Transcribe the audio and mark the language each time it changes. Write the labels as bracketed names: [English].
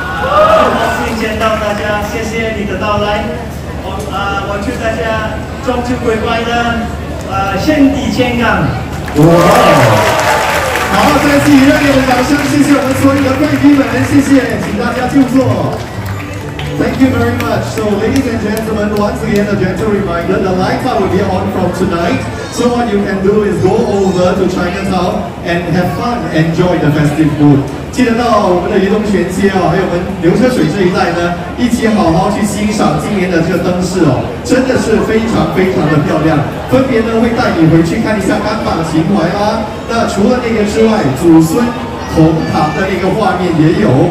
[Chinese] 很高兴见到大家，谢谢你的到来。我祝大家中秋节快乐，身体健康。哇！好，再次热烈的掌声，谢谢我们所有的贵宾们，谢谢，请大家就坐。 [English] Thank you very much. So, ladies and gentlemen, once again, a gentle reminder, the lights are will be on from tonight. So what you can do is go over to Chinatown and have fun, enjoy the festive food. [Chinese] 记得到我们的渝东选街哦，还有我们牛车水这一带呢，一起好好去欣赏今年的这个灯饰哦，真的是非常非常的漂亮。分别呢会带你回去看一下干爸的情怀啦。那除了那个之外，祖孙同堂的那个画面也有。